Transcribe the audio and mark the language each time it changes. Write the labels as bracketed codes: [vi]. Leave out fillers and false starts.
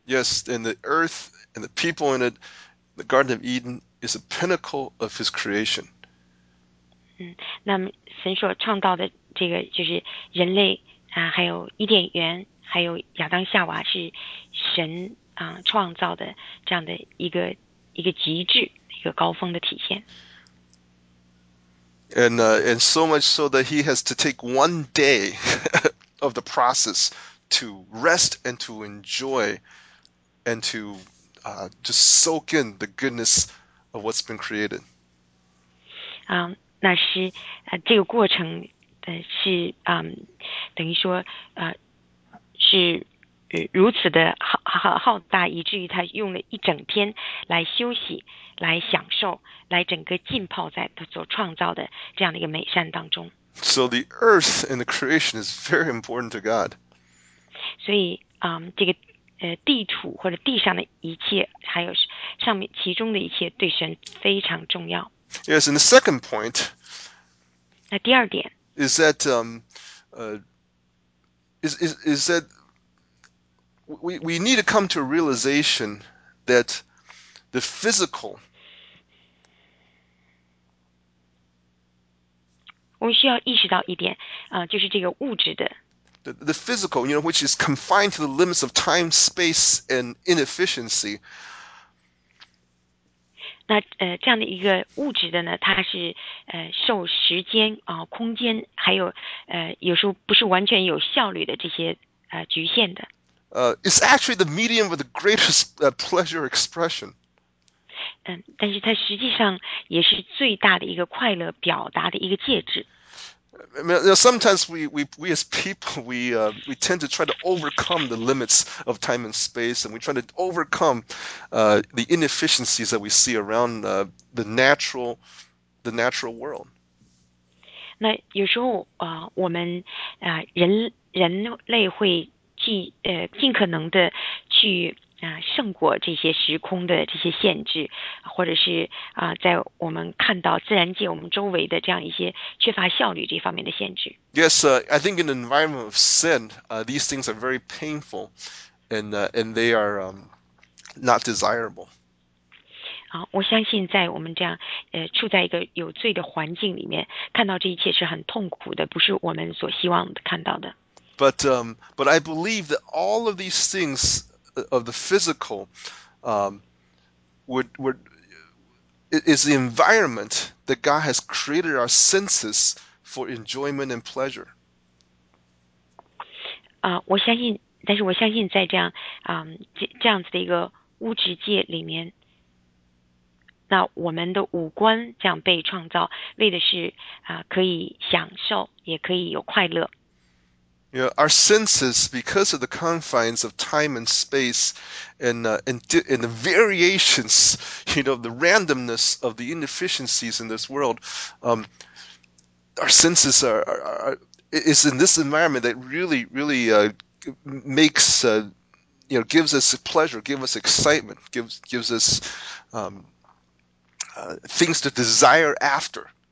[en] Yes, and the earth. And the people in it, the Garden of Eden, is a pinnacle of his creation. [zh] 那么神所创造的这个就是人类还有伊甸园，还有亚当夏娃，是神创造的这样的一个极致，一个高峰的体现。 [en] And so much so that he has to take one day of the process to rest and to enjoy and to soak in the goodness of what's been created. [zh] 那是这个过程是等于说是如此的浩大，以至于他用了一整天来休息，来享受，来整个浸泡在他所创造的这样的一个美善当中。 [en] So the earth and the creation is very important to God. [zh] 所以这个地土或者地上的一切，还有上面其中的一切，对神非常重要。 [en] Yes, and the second point. [zh] 那第二点 [en] is that is that we need to come to a realization that the physical. [zh] 我们需要意识到一点，就是这个物质的。 [en] The physical, you know, which is confined to the limits of time, space, and inefficiency. [zh] 那这样的一个物质的呢，它是受时间啊、空间，还有有时候不是完全有效率的这些局限的。 [en] It's actually the medium of the greatest pleasure expression. [zh] 但是它实际上也是最大的一个快乐表达的一个介质。 [en] Now, sometimes we as people we tend to try to overcome the limits of time and space, and we try to overcome the inefficiencies that we see around the natural world. [zh] 那有时候我们人类会尽可能的去胜过这些时空的这些限制，或者是在我们看到自然界我们周围的这样一些缺乏效率这方面的限制。 [en] Yes, I think in the environment of sin, these things are very painful, and they are not desirable. [zh] 我相信在我们这样处在一个有罪的环境里面，看到这一切是很痛苦的，不是我们所希望看到的。 [en] But I believe that all of these things. Of the physical, is the environment that God has created our senses for enjoyment and pleasure. [zh] 我相信，但是我相信在这样这样子的一个物质界里面，那我们的五官这样被创造，为的是可以享受，也可以有快乐。 [en] You know, our senses, because of the confines of time and space, and the variations, you know, the randomness of the inefficiencies in this world, our senses is in this environment that really, really makes, you know, gives us pleasure, gives us excitement, gives us things to desire after.